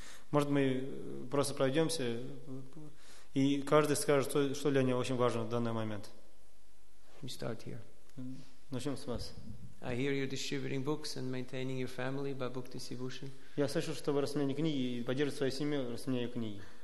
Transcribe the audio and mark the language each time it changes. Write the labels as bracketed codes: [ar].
[ru] Может, мы просто пройдемся и каждый скажет, что для него очень важно в данный момент. [en] We start here. [ru] Начнем с вас. [en] I hear you're distributing books and maintaining your family by book distribution. [ru] Я слышу, что вы распространяете книги и поддерживаете свою семью, распространяете книги.